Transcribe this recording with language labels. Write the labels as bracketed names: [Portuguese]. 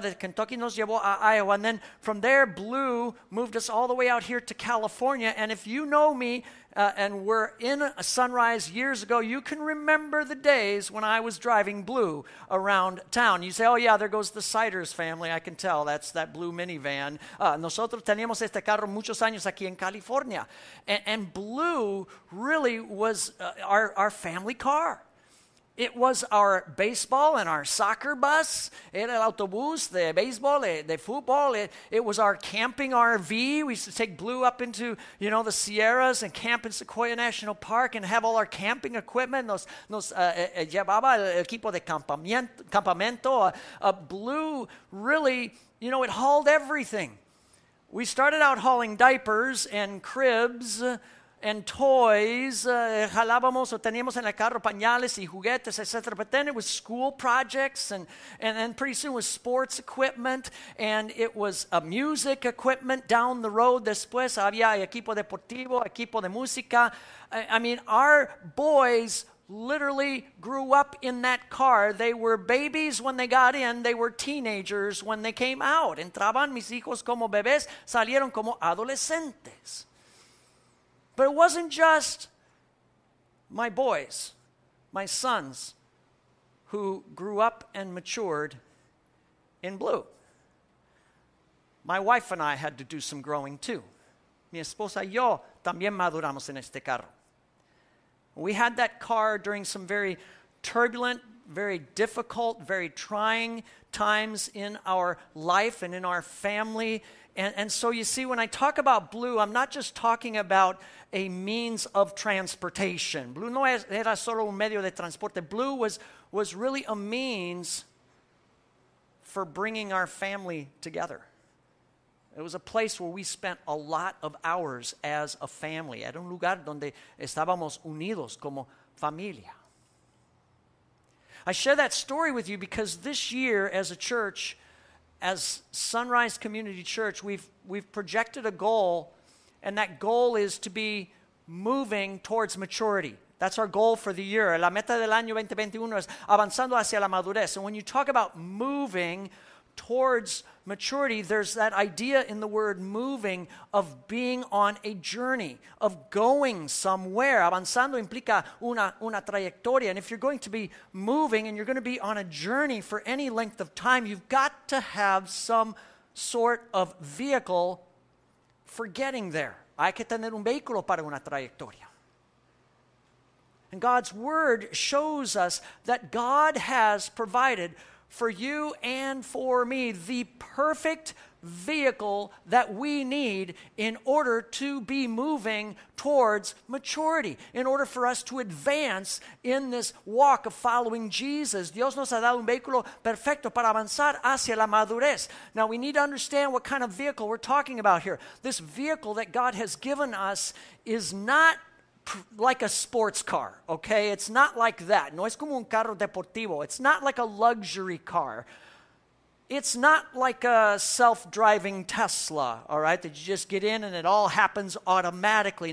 [English] The Kentucky [Spanish] nos llevó a Iowa. [English] And then from there, blue moved us all the way out here to California. And if you know me and were in a Sunrise years ago, you can remember the days when I was driving blue around town. You say, oh yeah, there goes the Siders family. I can tell that's that blue minivan. [Spanish] Nosotros teníamos este carro muchos años aquí en California. [English] And blue really was our family car. It was our baseball and our soccer bus. [Spanish] Era el autobús, [English] the baseball, the football. It was our camping RV. We used to take Blue up into, you know, the Sierras and camp in Sequoia National Park and have all our camping equipment. [Spanish] Llevaba el equipo de campamento. [English] Blue really, you know, it hauled everything. We started out hauling diapers and cribs and toys, [Spanish] jalábamos o teníamos en el carro pañales y juguetes, etc. [English] But then it was school projects, and pretty soon it was sports equipment, and it was a music equipment down the road. [Spanish] Después había equipo deportivo, equipo de música. [English] I mean, our boys literally grew up in that car. They were babies when they got in. They were teenagers when they came out. [Spanish] Entraban mis hijos como bebés, salieron como adolescentes. [English] But it wasn't just my boys, my sons, who grew up and matured in Blue. My wife and I had to do some growing too. [Spanish] Mi esposa y yo también maduramos en este carro. [English] We had that car during some very turbulent, very difficult, very trying times in our life and in our family. And so you see, when I talk about Blue, I'm not just talking about a means of transportation. [Spanish] Blue no era solo un medio de transporte. [English] Blue was really a means for bringing our family together. It was a place where we spent a lot of hours as a family. [Spanish] Era un lugar donde estábamos unidos como familia. [English] I share that story with you because this year as a church, as Sunrise Community Church, we've projected a goal, and that goal is to be moving towards maturity. That's our goal for the year. [Spanish] La meta del año 2021 es avanzando hacia la madurez. [English] And when you talk about moving towards maturity, there's that idea in the word moving of being on a journey, of going somewhere. [Spanish] Avanzando implica una trayectoria. [English] And if you're going to be moving and you're going to be on a journey for any length of time, you've got to have some sort of vehicle for getting there. [Spanish] Hay que tener un vehículo para una trayectoria. [English] And God's word shows us that God has provided for you and for me the perfect vehicle that we need in order to be moving towards maturity, in order for us to advance in this walk of following Jesus. [Spanish] Dios nos ha dado un vehículo perfecto para avanzar hacia la madurez. [English] Now we need to understand what kind of vehicle we're talking about here. This vehicle that God has given us is not like a sports car, okay? It's not like that. [Spanish] No es como un carro deportivo. [English] It's not like a luxury car. It's not like a self-driving Tesla, all right, that you just get in and it all happens automatically.